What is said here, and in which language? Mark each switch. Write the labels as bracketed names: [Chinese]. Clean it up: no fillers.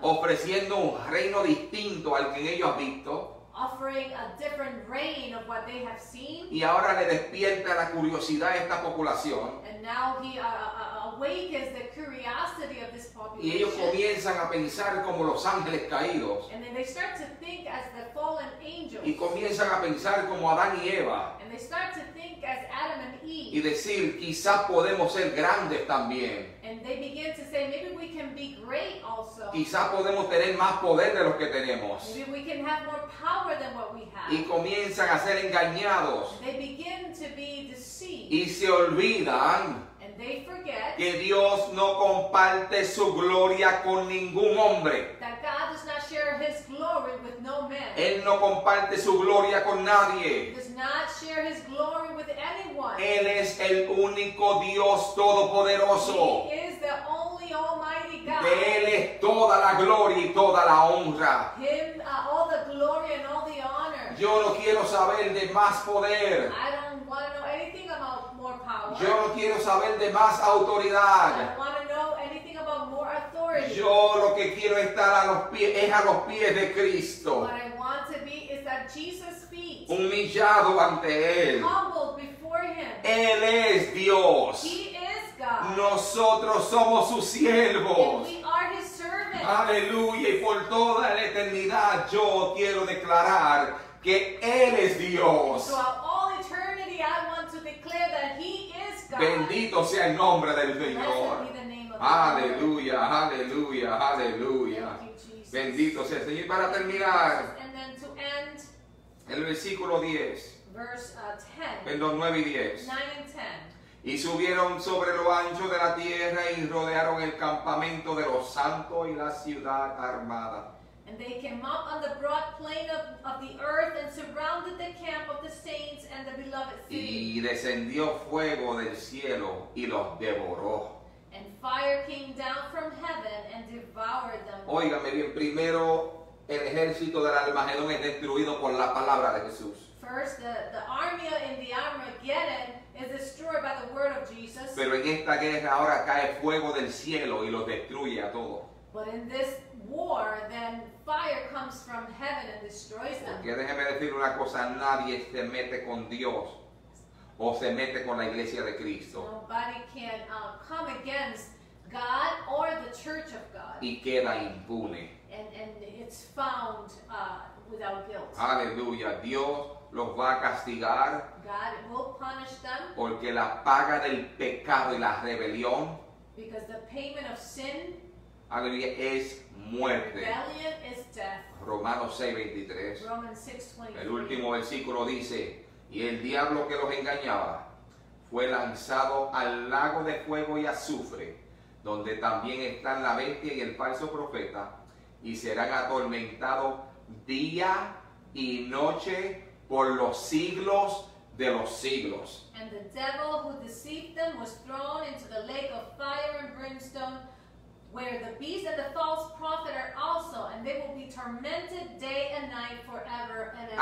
[Spanish] Ofreciendo un reino distinto al que ellos han visto. [English] Offering a different reign of what they have seen. [Spanish] Y ahora le despierta la curiosidad a esta población. [English] And now he awakens the curiosity of this population. [Spanish] Y ellos comienzan a pensar como los ángeles caídos. [English] And then they start to think as the fallen angels. [Spanish] Y comienzan a pensar como Adán y Eva. [English] And they start to think as Adam and Eve. [Spanish] Y decir, quizás podemos ser grandes también. [English] And they begin to say, maybe we can be great also. [Spanish] Quizás podemos tener más poder de los que tenemos. [English] Maybe we can have more power than what we have. [Spanish] Y comienzan a ser engañados. [English] They begin to be deceived. [Spanish] Y se olvidan. [English] And they forget. [Spanish] Que Dios no comparte su gloria con ningún hombre. [English] That God does not share his glory with no man. [Spanish] Él no comparte su gloria con nadie. [English] He does not share his glory with anyone. [Spanish] Él es el único Dios todopoderoso. [English] He is the only almighty God. [Spanish] De él es toda la gloria y toda la honra. [English] Him, all the glory and all the honor. [Spanish] Yo no quiero saber de más poder. [English] I don't want to know anything about more power. [Spanish] Yo no quiero saber de más autoridad. [English] I don't want to know anything about more authority. [Spanish] Yo lo que quiero estar a los pies es a los pies de Cristo. [English] What I want to be is at Jesus' feet. [Spanish] Humillado ante él. [English] Humbled before him. [Spanish] Él es Dios. [English] He is God. [Spanish] Nosotros somos sus siervos. [English] And we are his servants. [Spanish] Aleluya. Y por toda la eternidad yo quiero declarar que él es Dios. [English] I want to declare that he is God. [Spanish] Bendito sea el nombre del Señor. Aleluya, aleluya, aleluya. Bendito sea el Señor. Para terminar. [English] And then to end. [Spanish] El versículo 10. [English] Verse [Spanish] 9 y 10. [English] 9 and 10. [Spanish] Y subieron sobre lo ancho de la tierra y rodearon el campamento de los santos y la ciudad armada. [English] And they came up on the broad plain of the earth and surrounded the camp of the saints and the beloved city. [Spanish] Y descendió fuego del cielo y los devoró. [English] And fire came down from heaven and devoured them. [Spanish] Óigame bien, primero el ejército del Armagedón es destruido por la palabra de Jesús. [English] First, the army in the Armageddon is destroyed by the word of Jesus. [Spanish] Pero en esta guerra ahora cae fuego del cielo y los destruye a todos. [English] But in this war, then fire comes from heaven and destroys them. [Spanish] Porque déjeme decir una cosa, nadie se mete con Dios o se mete con la iglesia de Cristo. [English] Nobody can come against God or the church of God. [Spanish] Y queda impune. [English] And it's found without guilt. [Spanish] Aleluya, Dios los va a castigar. [English] God will punish them. [Spanish] Porque la paga del pecado y la rebelión. [English] Because the payment of sin. [Spanish] Aleluya, es muerte. [English] Rebellion is death. [Spanish] Romanos 6:23. [English] Romans 6:23. [Spanish] El último versículo dice, y el diablo que los engañaba fue lanzado al lago de fuego y azufre, donde también están la bestia y el falso profeta, y serán atormentados día y noche por los siglos de los siglos. [English] And the devil who deceived them was thrown into the lake of fire and brimstone, where the beast and the false prophet are also, and they will be tormented day and night forever and ever.